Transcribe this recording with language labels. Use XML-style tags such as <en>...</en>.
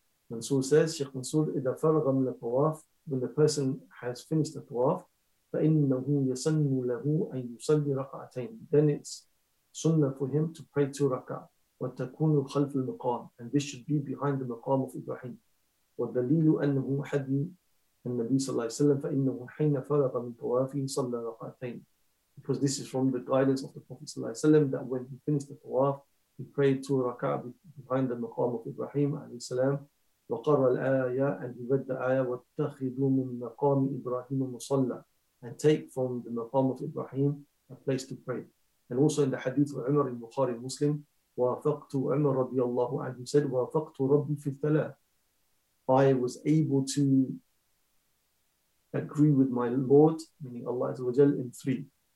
<en>Mansur says, Sheikh Mansur,</en> <ar>إِذَا فَرَغَ مِنَ الطَّوَافِ.</ar> <en>When the person has finished the tawaf,</en> <ar>فَإِنَّهُ يَسَنُّ لَهُ أَن يُصَلِّ رَكَعَتَيْنِ.</ar> <en>Then it's sunnah for him to pray two rak'ah,</en> <ar>وَتَكُونُ خَلْفِ الْمَقَامِ.</ar> <en>And this should be behind the maqam of Ibrahim.</en> <ar>والدليل أنه حديث النبي صلى الله عليه وسلم فإنه حين فرغ من طوافه صلى ركعتين.</ar> <en>Because this is from the guidance of the Prophet صلى الله عليه وسلم, that when he finished the tawaf, he prayed two rak'ah behind the maqam of Ibrahim عليه السلام.</en> <ar>وقرأ الآية,</ar> <en>and he read the ayah,</en> <ar>واتخذوا من مقام إبراهيم مصلى.</ar> <en>and take from the maqam of Ibrahim a place to pray. And also in the hadith of Umar in Bukhari Muslim,</en> <ar>وَوَافَقْتُ عُمَرَ رَضِيَ اللَّهُ عَنْهُ</ar> <en>said,</en> <ar>وَوَافَقْتُ رَبِّي فِي الثَّلَاثِ</ar> <en>I was able to agree with my Lord, meaning Allah Azza wa Jal, in three.</en>